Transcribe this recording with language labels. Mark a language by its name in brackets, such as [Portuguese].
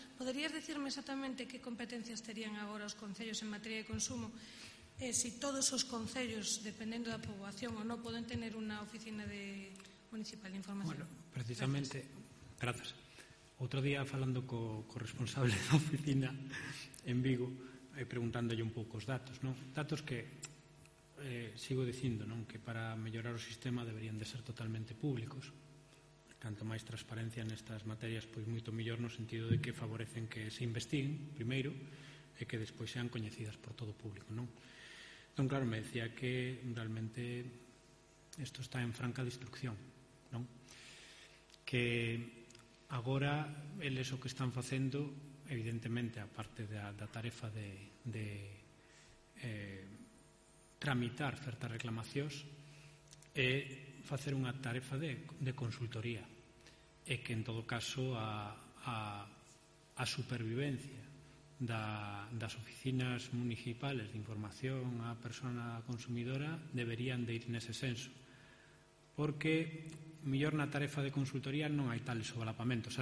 [Spanish] ¿Podrías decirme exactamente qué competencias tenían ahora los concellos en materia de consumo? [Galician] Si todos os concellos, dependendo da poboación ou non, poden tener unha oficina de municipal de información. Bueno, precisamente, grazas. Outro día, falando co responsable da oficina en Vigo, preguntándolle un pouco os datos, non? Datos que sigo dicindo, non? Que para mellorar o sistema deberían de ser totalmente públicos. Canto máis transparencia nestas materias, pois moito mellor no sentido de que favorecen que se investiguen primeiro e que despois sean coñecidas por todo o público, non? Entón, claro, me decía que realmente isto está en franca destrucción, non? Que agora eles o que están facendo, evidentemente, a parte da tarefa tramitar certas reclamacións, é facer unha tarefa de consultoría, e que, en todo caso, a supervivencia das oficinas municipales de información á persona consumidora deberían de ir nese senso, porque mellor na tarefa de consultoría non hai tales sobalapamentos.